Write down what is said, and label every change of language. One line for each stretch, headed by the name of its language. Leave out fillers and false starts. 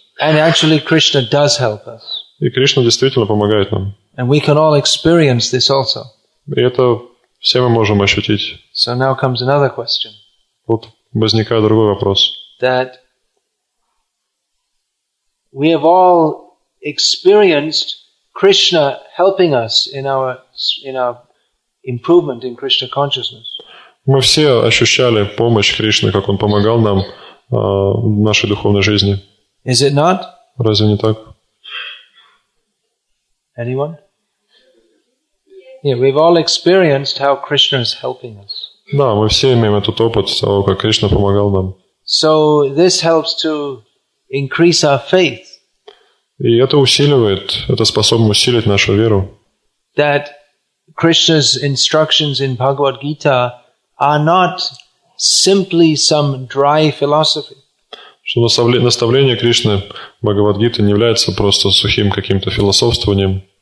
English: And actually Krishna does help us.
Russian: И Кришна действительно помогает нам.
English: And we can all experience this also.
Russian: И это все мы можем ощутить.
English: So now comes another question.
Russian: Вот возникает другой вопрос.
English: That we have all experienced Krishna helping us in our improvement in Krishna consciousness.
Russian: Мы все ощущали помощь Кришны, как Он помогал нам в нашей духовной жизни.
English: Is it not?
Russian: Разве не так?
English: Anyone? Yeah, we've all experienced how Krishna is helping us.
Russian: Да, мы все имеем этот опыт того, как Кришна помогал нам.
English: So this helps to increase our faith.
Russian: И это усиливает, это способно усилить нашу веру.
English: That Krishna's instructions in Bhagavad Gita are not simply some dry philosophy.
Russian: Что наставление Кришны Бхагавад Гита не является просто сухим каким-то философствованием.